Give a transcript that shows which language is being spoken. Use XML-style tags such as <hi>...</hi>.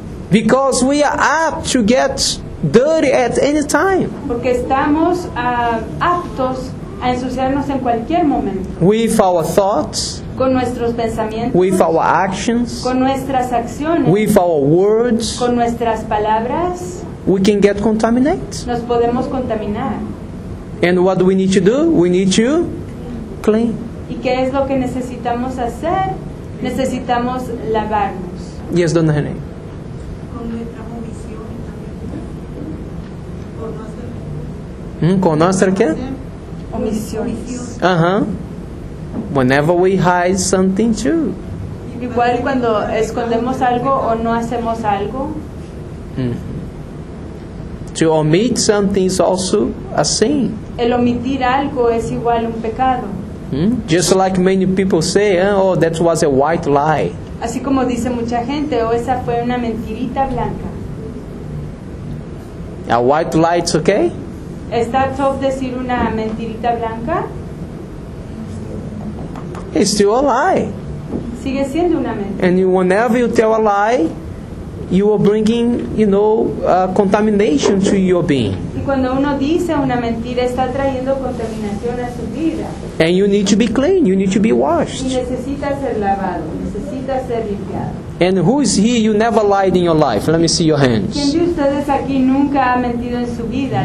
<en>Because we are apt to get dirty at any time.</en> <es>Porque estamos aptos a ensuciarnos en cualquier momento.</es> <en>With our thoughts.</en> <es>Con nuestros pensamientos.</es> <en>With our actions.</en> <es>Con nuestras acciones.</es> <en>With our words.</en> <es>Con nuestras palabras.</es> <en>We can get contaminated.</en> <es>Nos podemos contaminar.</es> <en>And what do we need to do? We need to clean.</en> <es>¿Y qué es lo que necesitamos hacer? Necesitamos lavarnos.</es> <en>Yes, Dona Hene.</en> <es>Con nuestra qué? Omisiones.</es> <en>Whenever we hide something too.</en> <es>Igual cuando escondemos algo o no hacemos algo.</es> <en>To omit something is also a sin.</en> <es>El omitir algo es igual un pecado.</es> <en>Just like many people say, oh, that was a white lie.</en> <es>Así como dice mucha gente, oh, esa fue una mentirita blanca.</es> <en>A white lie, okay?</en> <es>¿Está top decir una mentirita blanca?</es> <en>It's still a lie.</en> <es>Sigue siendo una mentira.</es> <en>And whenever you tell a lie, you are bringing, you know, contamination to your being.</en> <es>Y cuando uno dice una mentira, está trayendo contaminación a su vida.</es> <en>And you need to be clean, you need to be washed.</en> <es>Y necesita ser lavado, necesita ser limpiado.</es> <en>And who is here you never lied in your life? Let me see your hands.</en> <es>¿Quién de ustedes aquí nunca ha mentido en su vida?</es>